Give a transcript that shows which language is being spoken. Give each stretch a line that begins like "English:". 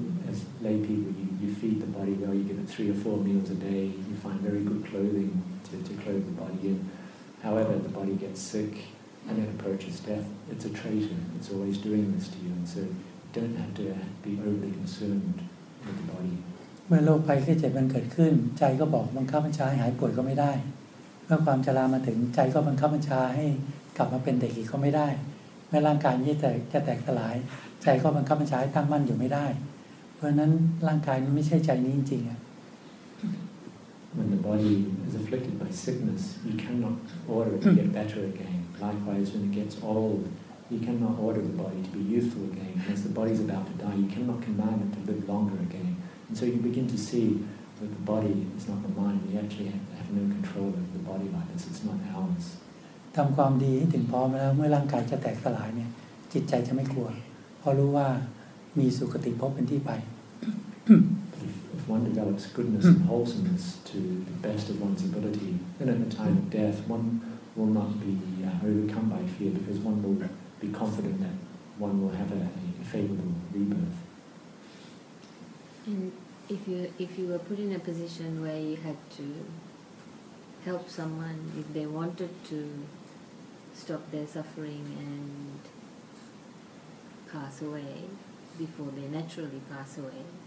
English: As lay people, you feed the body well. You give it 3 or 4 meals a day. You find very good clothing to clothe the body in. However, the body gets sick and then approaches death. It's a traitor. It's always doing this to you. And so you don't have to be overly concerned with the body. When
Thai: โรคภัยแค่เจ็บมันเกิดขึ้นใจก็บอกบังคับบัญชาให้หายป่วยก็ไม่ได้เมื่อความชรามาถึงใจก็บังคับบัญชาให้กลับมาเป็นเด็กอีกก็ไม่ได้เมื่อร่างกายนี้จะแตกสลายใจก็บังคับบัญชาให้ตั้งมั่นอยู่ไม่ได้เพราะนั้นร่างกายมันไม่ใช่ใจนี้จริง
English: ๆ When the body is afflicted by sickness you cannot order it to get better again likewise when it gets old you cannot order the body to be youthful again as the body is about to die you cannot command it to live longer again and so you begin to see that the body is not the mind we actually have no control over the body like this it's not ours.
Thai: ทำความดีให้ถึงพร้อมแล้วเมื่อร่างกายจะแตกสลายเนี่ยจิตใจจะไม่กลัวเพราะรู้ว่ามีสุคติภพเป็นที่ไป
English: If one develops goodness and wholesomeness to the best of one's ability then at the time of death one will not be overcome by fear because one will be confident that one will have a favorable rebirth and if you were put in a position where you had toHelp someone if they wanted to stop their suffering and pass away before they naturally pass away.